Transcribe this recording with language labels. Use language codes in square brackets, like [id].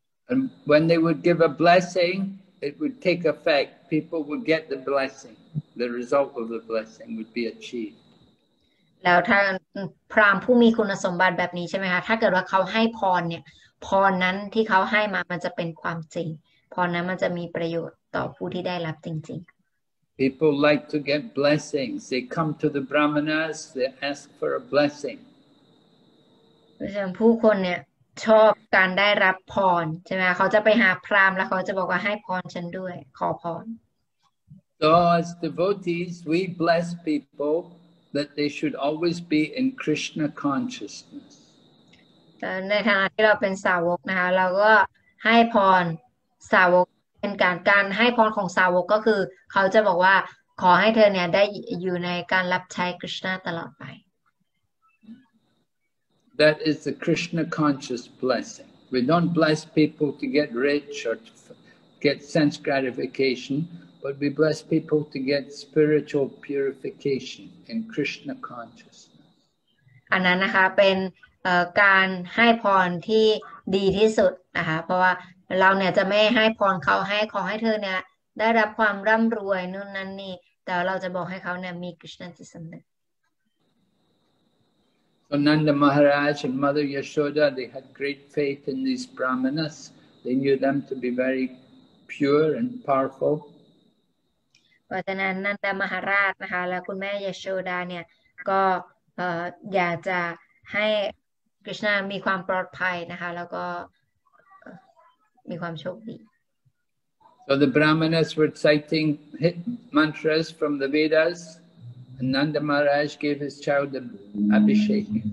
[en] And when they would give a blessing it would take effect people would get the blessing the result of the blessing would be achieved [th] แล้วถ้าพราหมณ์ผู้มีคุณสมบัติแบบนี้ใช่มั้ยคะถ้าเกิดว่าเขาให้พรเนี่ยพรนั้นที่เขาให้มันจะเป็นความจริงพรนั้นมันจะมีประโยชน์ต่อผู้ที่ได้รับจริงๆ [en] People like to get blessings. They come to the brahmanas. They ask for a blessing. [th] ผู้คนเนี่ยชอบการได้รับพรใช่ไหมเขาจะไปหาพราหมณ์แล้วเขาจะบอกว่าให้พรฉันด้วยขอพร [en] So as devotees, we bless people that they should always be in Krishna consciousness. [th] ในฐานะที่เราเป็นสาวกนะคะเราก็ให้พรสาวกเป็นการให้พรของสาวกก็คือเขาจะบอกว่าขอให้เธอเนี่ยได้อยู่ในการรับใช้คริชนาตลอดไป [en] That is the Krishna conscious blessing. We don't bless people to get rich or to get sense gratification, but we bless people to get spiritual purification in Krishna consciousness. [th] อันนั้นนะคะเป็นการให้พรที่ดีที่สุดนะคะเพราะว่าเราเนี่ยจะไม่ให้พรเขาให้ขอให้เธอเนี่ยได้รับความร่ำรวยนู่นนั่นนี่แต่เราจะบอกให้เขาเนี่ยมีคริชนาจิตสำนึก [en] So Nanda Maharaj and Mother Yashoda they had great faith in these brahmanas they knew them to be very pure and powerful. [th] เพราะฉะนั้นนันทมหาราชนะคะและคุณแม่ยโชดาเนี่ยก็อยากจะให้กฤษณามีความปลอดภัยนะคะแล้วก็มีความโชคดี [en] So the Brahmanas were citing mantras from the Vedas and Nanda Maharaj gave his child the Abhishek.